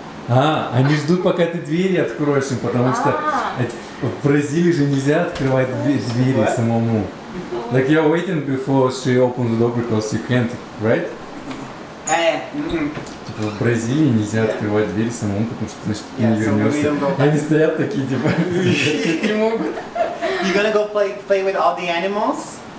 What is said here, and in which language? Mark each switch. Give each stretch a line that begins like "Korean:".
Russian: А, они ждут, пока ты двери откроешь им, потому что в Бразилии же нельзя открывать двери самому.
English: Like you're waiting before she opens the door because you can't, right? Mm-hmm.
Russian: в Бразилии нельзя открывать дверь самому, потому что значит, ты не вернешься. Они стоят такие, типа, не могут.
English: You're gonna go play with all the animals?